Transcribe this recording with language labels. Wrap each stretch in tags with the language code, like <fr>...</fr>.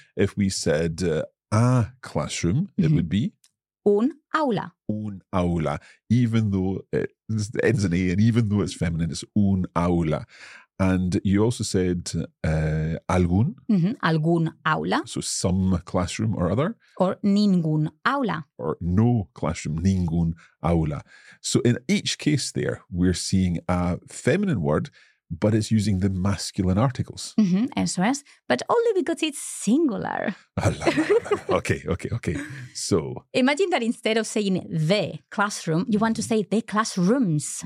<en>If we said a classroom, it would be?</en> <es>Un aula. Un aula.</es> <en>Even though it ends in A and even though it's feminine, it's un aula. And you also said algún.</en> <es>Algún aula.</es> <en>So some classroom or other.</en> <es>Or ningún aula.</es> <en>Or no classroom, ningún aula. So in each case there, we're seeing a feminine word, but it's using the masculine articles.</en> <es>Eso es.</es> <en>But only because it's singular. Okay. So imagine that instead of saying the classroom, you want to say the classrooms.</en>